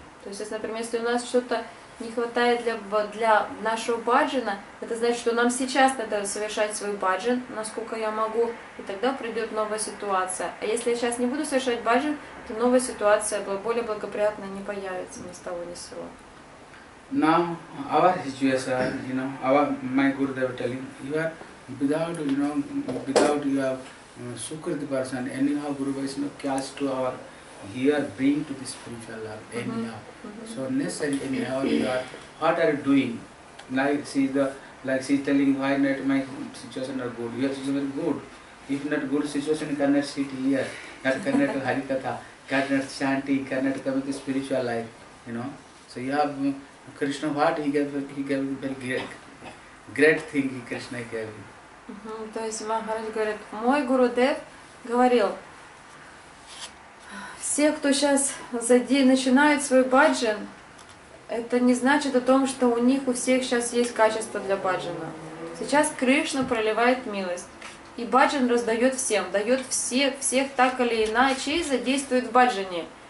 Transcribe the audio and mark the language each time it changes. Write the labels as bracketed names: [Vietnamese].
[Russian] То есть, например, если у нас что-то не хватает для нашего баджана, это значит, что нам сейчас надо совершать свой баджан, насколько я могу, и тогда придет новая ситуация. А если я сейчас не буду совершать баджан, то новая ситуация более благоприятная не появится ни с того ни с сего. [English] Now, our situation, you know, my Gurudev telling, you are without, you know, without you have Sukriti person, anyhow Guru Vaishnava cast to our He are bring to the spiritual life anyhow. So necessary anyhow you are what are you doing? Like she is telling why not my situation are good. Your situation is good. If not good situation cannot sit here, that cannot Harikatha, cannot chanting, cannot come to the spiritual life, you know. So you have Krishna what he gave very great thing Krishna gave. [Russian] То есть Махарадж говорит, мой Гурудев говорил. Все, кто сейчас начинает свой баджан, это не значит о том, что у них у всех сейчас есть качество для баджана. Сейчас Кришна проливает милость. И баджан раздает всем, дает всех так или иначе и задействует в баджане.